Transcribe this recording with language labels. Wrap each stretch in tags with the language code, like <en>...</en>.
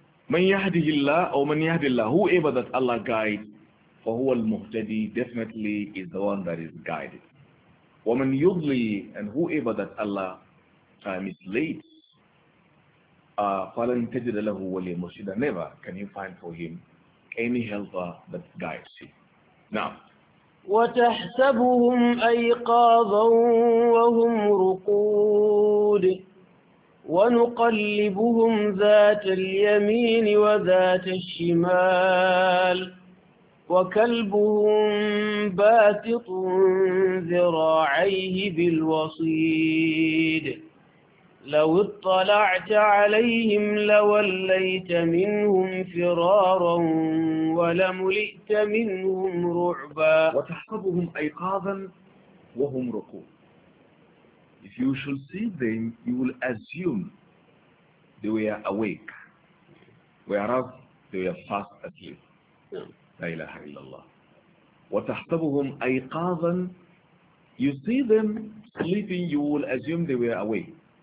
<ar>مَنْ يَهْدِهِ اللَّهِ,</ar> <en>or</en> <ar>مَنْ يَهْدِ اللَّهِ,</ar> <en>whoever that Allah guides,</en> <ar>فَهُوَ الْمُهْتَدِي,</ar> <en>definitely is the one that is guided.</en> <ar>وَمَنْ يُضْلِي,</ar> <en>and whoever that Allah mislead,</en> <ar>فَلَنْ تَجِدَ لَهُ وَلِيَ مُرْشِدًا,</ar> <en>never can you find for him any helper that guides him. Now,</en> <ar>وتحسبهم أيقاظا وهم رقود ونقلبهم ذات اليمين وذات الشمال وكلبهم باسط ذراعيه بالوصيد لو اطلعت عليهم لوليت منهم فرارا ولملئت منهم رعبا. وتحسبهم أيقاظا وهم ركوب.</ar> <en>If you shall see them, you will assume they were awake, whereas they were fast asleep.</en> <ar>لا إله إلا الله. وتحسبهم أيقاظا,</ar> <en>you see them sleeping, you will assume they were awake.</en>